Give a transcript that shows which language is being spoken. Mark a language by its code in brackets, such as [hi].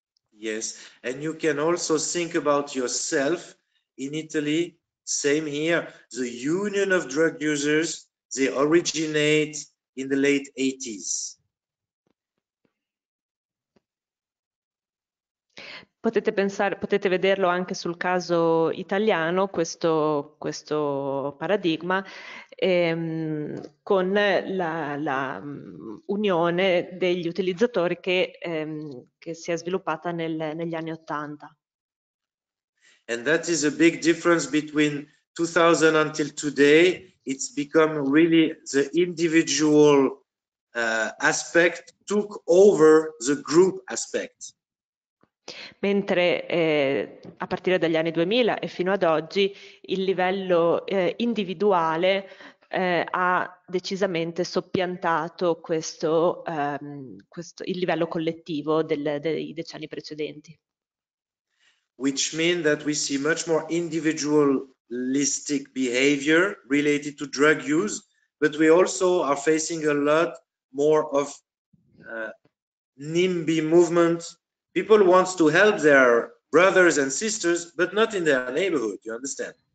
[en] Yes, and you can also think about yourself in Italy, same here, the Union of Drug Users, they originate in the late 80s. [it] Potete vederlo anche sul caso italiano, questo paradigma, con la unione degli utilizzatori che si è sviluppata negli anni Ottanta. [en] And that is a big difference between 2000 until today. It's become really the individual aspect took over the group aspect. [it] Mentre a partire dagli anni 2000 e fino ad oggi il livello individuale ha decisamente soppiantato il livello collettivo dei decenni precedenti. [en] Which means that we see much more individualistic behavior related to drug use, but we also are facing a lot more of NIMBY movement. People want to help their brothers and sisters, but not in their neighborhood, you understand?